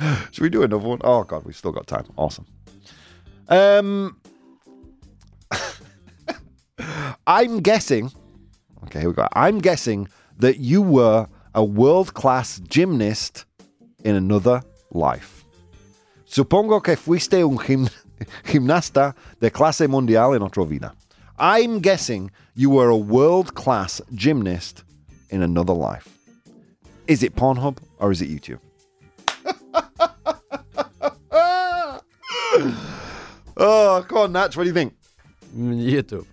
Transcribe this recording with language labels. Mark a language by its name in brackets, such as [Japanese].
[English] Should we do another one? Oh God, we've still got time. Awesome. I'm guessing, okay, here we go. I'm guessing that you were a world-class gymnast in another life. [Spanish] Supongo que fuiste un gimnasta de clase mundial en otra vida. [English] I'm guessing you were a world-class gymnast in another life. Is it Pornhub or is it YouTube? Oh, come on, Natch, what do you think? YouTube.